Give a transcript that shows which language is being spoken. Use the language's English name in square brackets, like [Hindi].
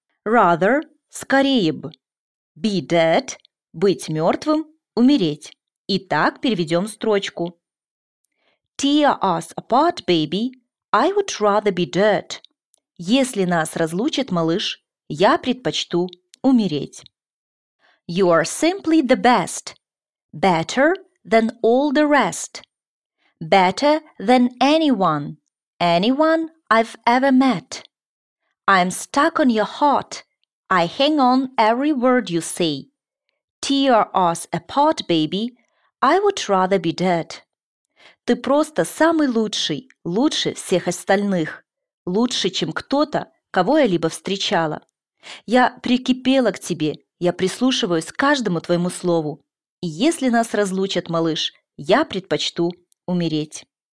[Russian] Rather – скорее бы. [English] Be dead [Russian] – быть мертвым, умереть. Итак, переведем строчку. [English] Tear us apart, baby. I would rather be dirt. [Russian] Если нас разлучит, малыш, я предпочту умереть. [English] You are simply the best. Better than all the rest. Better than anyone. Anyone I've ever met. I'm stuck on your heart. I hang on every word you say. Tear us apart, baby. I would rather be dead. [Russian] Ты просто самый лучший, лучше всех остальных. Лучше, чем кто-то, кого я либо встречала. Я прикипела к тебе, я прислушиваюсь к каждому твоему слову. И если нас разлучат, малыш, я предпочту умереть.